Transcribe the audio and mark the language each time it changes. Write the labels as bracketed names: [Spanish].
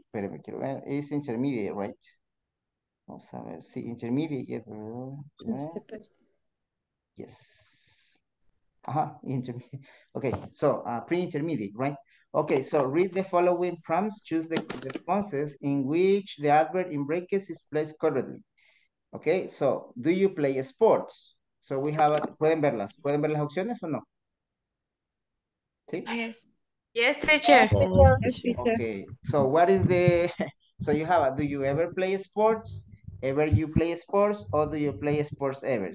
[Spanish] Espérame, quiero ver, [English] it's intermediate, right? [Spanish] Vamos a ver, sí, intermediate, ¿verdad? [English] Yes. Ajá, intermediate. Okay, so, pre-intermediate, right? Okay, so, read the following prompts, choose the responses in which the adverb in brackets is placed correctly. Okay, so, do you play sports? So, we have, [Spanish] ¿pueden ver las opciones o no? [English] Sí. Yes, teacher. Okay, so, what is the, so you have, do you ever play sports? Ever you play sports or do you play sports ever?